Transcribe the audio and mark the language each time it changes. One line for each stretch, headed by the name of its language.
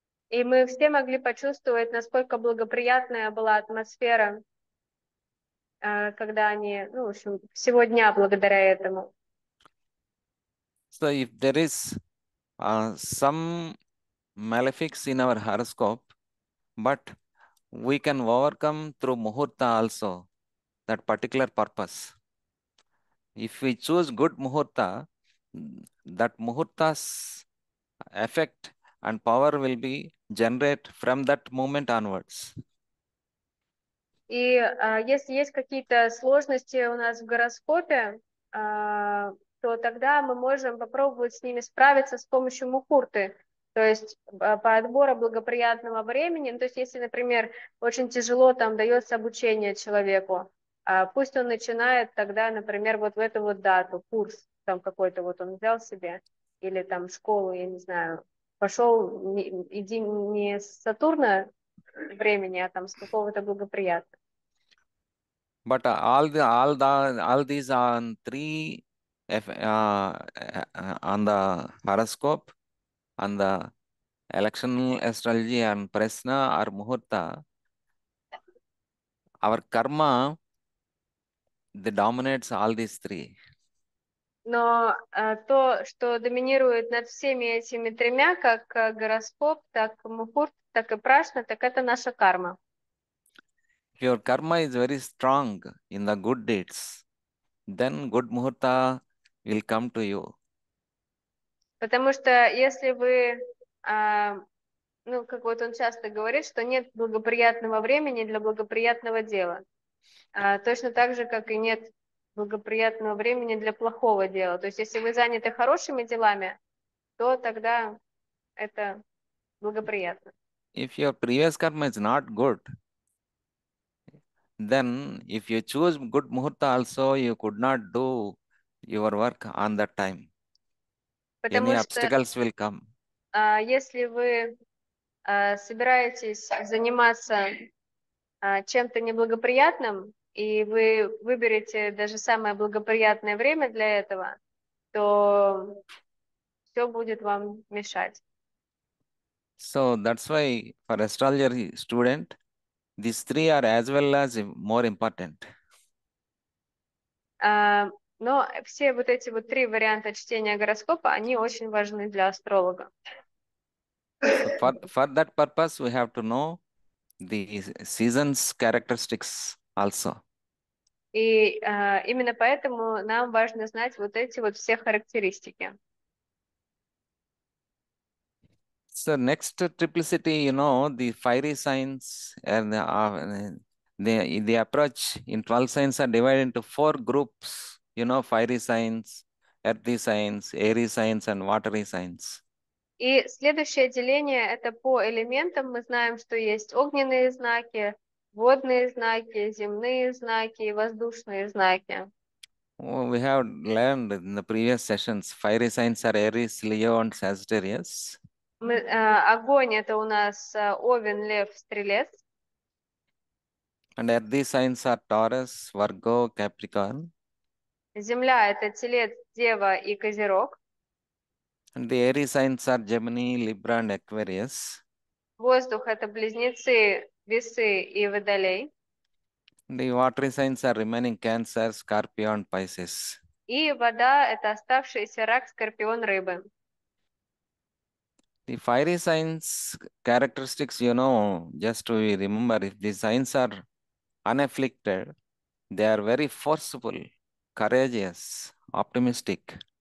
Russian: И мы все могли почувствовать, насколько благоприятная была атмосфера, когда они, ну, в общем, всего дня благодаря этому.
English: So if there is some malefics in our horoscope, but we can overcome through muhurta also that particular purpose. If we choose good muhurta, that muhurta's effect and power will be generated from that moment onwards.
Russian: И если есть какие-то сложности у нас в гороскопе, то тогда мы можем попробовать с ними справиться с помощью мухурты, то есть по отбору благоприятного времени. То есть если, например, очень тяжело там дается обучение человеку, пусть он начинает тогда, например, вот в эту вот дату, курс там какой-то вот он взял себе, или там школу, я не знаю, пошел, иди не с Сатурна времени, а там с какого-то благоприятного.
English: But all these on three on the horoscope, on the electional astrology and prashna or muhurta, our karma the dominates all these three.
Russian: Но то, что доминирует над всеми этими тремя, как гороскоп, так мухурт, так и прашна, так это наша карма.
English: Your karma is very strong in the good deeds, then good muhurta will come to you.
Russian: Потому что если вы, ну, как вот он часто говорит, что нет благоприятного времени для благоприятного дела, точно так же, как и нет благоприятного времени для плохого дела. То есть если вы заняты хорошими делами, то тогда это благоприятно.
English: If your previous karma is not good, then if you choose good muhurta also, you could not do your work on that time.
Russian: Потому
English: Any obstacles will come.
Russian: Если вы собираетесь заниматься чем-то неблагоприятным, и вы выберете даже самое благоприятное время для этого, то все будет вам мешать.
English: So that's why for astrology student, These three are as well as more important.
Russian: Но все вот эти вот три варианта чтения гороскопа, они очень важны для астролога.
English: For that purpose, we have to know the season's characteristics also.
Russian: И именно поэтому нам важно знать вот эти вот все характеристики.
English: So next triplicity, you know, the fiery signs and the approach in 12 signs are divided into four groups, you know, fiery signs, earthy signs, airy signs, and watery signs.
Russian: И следующее деление это по элементам. Мы знаем, что есть огненные знаки, водные знаки, земные знаки и воздушные знаки.
English: Well, we have learned in the previous sessions, fiery signs are Aries, Leo, and Sagittarius.
Russian: Огонь это у нас Овен, Лев, Стрелец.
English: And earthy signs are Taurus, Virgo, Capricorn.
Russian: Земля это Телец, Дева и Козерог.
English: And the airy signs are Gemini, Libra, and Aquarius.
Russian: Воздух это Близнецы, Весы и Водолей.
English: The watery signs are remaining Cancer, Scorpio, and Pisces.
Russian: И вода это оставшиеся Рак, Скорпион, Рыбы.
English: The fiery signs characteristics, you know, just to remember, if the signs are unafflicted, they are very forceful, courageous, optimistic.